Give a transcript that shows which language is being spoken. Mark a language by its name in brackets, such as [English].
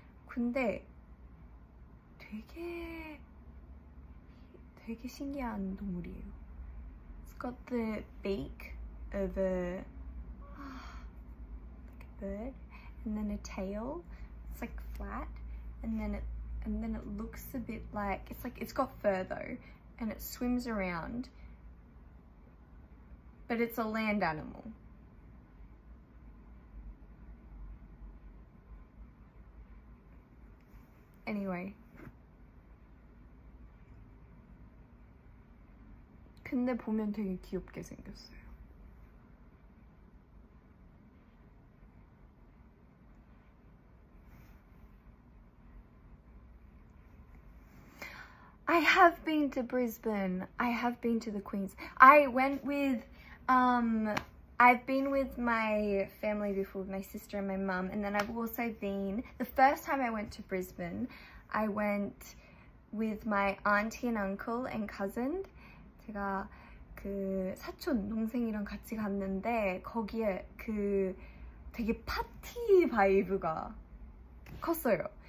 [Korean] 근데 되게 신기한 동물이에요. [English] It's got the beak of a bird, and then a tail. It's like flat, and then it looks a bit like it's got fur though, and it swims around. But it's a land animal. Anyway. [Korean] 근데 보면 되게 귀엽게 생겼어요. [English] Been to Brisbane. I have been to the Queens. I went with I've been with my family before, my sister and my mum, and then I've also been the first time I went to Brisbane, I went with my auntie and uncle and cousin. [Korean] 제가 그 사촌 동생이랑 같이 갔는데 거기에 그 되게 파티 바이브가 컸어요.